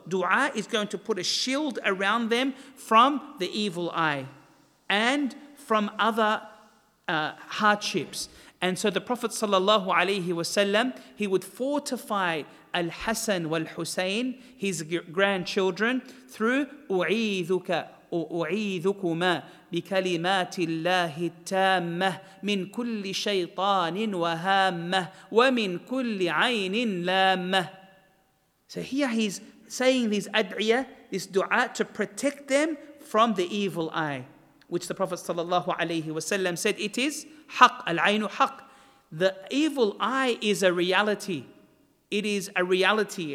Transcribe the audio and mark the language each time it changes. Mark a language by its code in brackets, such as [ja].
[en] Dua is going to put a shield around them from the evil eye and from other hardships. And so the Prophet sallallahu alayhi wa sallam, he would fortify al-Hasan wal-Husayn, his grandchildren, through u'idhuka [ar] أعيذكما بكلمات الله التامة من كل شيطان وهامة ومن كل عين لامة. [en] So here he's saying these ad'iyah, this dua, to protect them from the evil eye, which the Prophet sallallahu alayhi wa sallam said, it is haq, al-aynu haq. The evil eye is a reality. It is a reality.